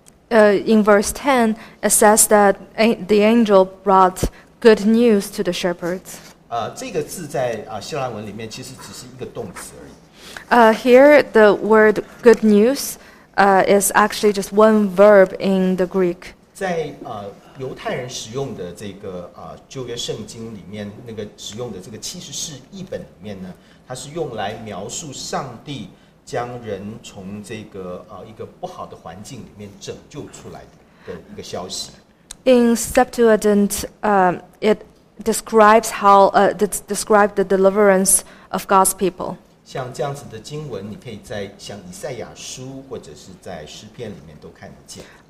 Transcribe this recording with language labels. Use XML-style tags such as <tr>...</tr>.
<en>In verse 10, it says that the angel brought good news to the shepherds.</en> <zh>这个字在希腊文里面其实只是一个动词而已。</zh> <en>Here, the word good news is actually just one verb in the Greek.</en> <zh>在犹太人使用的这个旧约圣经里面，那个使用的这个七十四译本里面呢，它是用来描述上帝将人从这个一个不好的环境里面拯救出来的一个消息。</zh> <en>In Septuagint, it describes how describes the deliverance of God's people.</en> <zh>像这样子的经文，你可以在像以赛亚书或者是在诗篇里面都看得见。</zh>